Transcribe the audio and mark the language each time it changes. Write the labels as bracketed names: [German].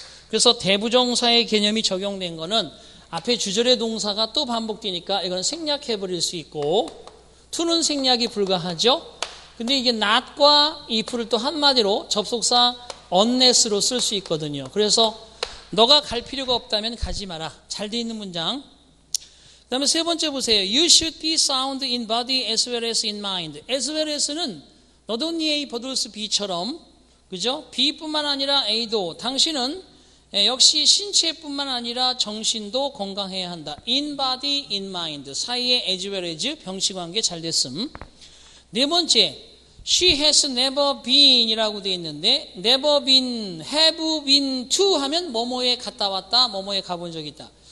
[Korean] 그래서 대부정사의 개념이 적용된 거는 앞에 주절의 동사가 또 반복되니까 이건 생략해버릴 수 있고 to는 생략이 불가하죠. 근데 이게 not과 if를 또 한마디로 접속사 unless로 쓸 수 있거든요. 그래서 너가 갈 필요가 없다면 가지 마라. 잘 돼 있는 문장. 그 다음에 세 번째 보세요. [English] You should be sound in body as well as in mind. [Korean] As well as는 not only A but also B처럼 그죠? B뿐만 아니라 A도 당신은 역시 신체뿐만 아니라 정신도 건강해야 한다. [English] In body, in mind. [Korean] 사이에 [English] as well as [Korean] 병치관계 잘 됐음. 네 번째, [English] she has never been [Korean] 이라고 되어 있는데 never been, have been to 하면 뭐뭐에 갔다 왔다, 뭐뭐에 가본 적 있다.